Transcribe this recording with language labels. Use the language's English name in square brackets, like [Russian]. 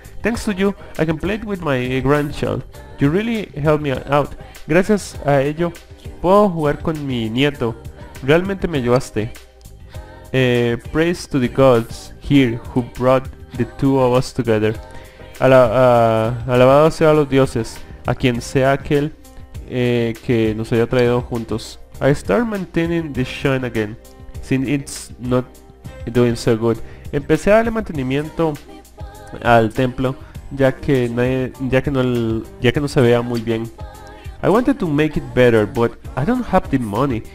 [English] Thanks to you, I can play with my grandchild. You really helped me out. [Spanish] Gracias a ello, puedo jugar con mi nieto. Realmente me ayudaste. [English] Praise to the gods here who brought the two of us together. [Spanish] Alabado sea los dioses, a quien sea aquel que nos haya traído juntos. [English] I start maintaining the shine again, since it's not doing so good. [Spanish] Empecé a darle mantenimiento al templo, ya que no se vea muy bien. [English] I wanted to make it better, but I don't have the money.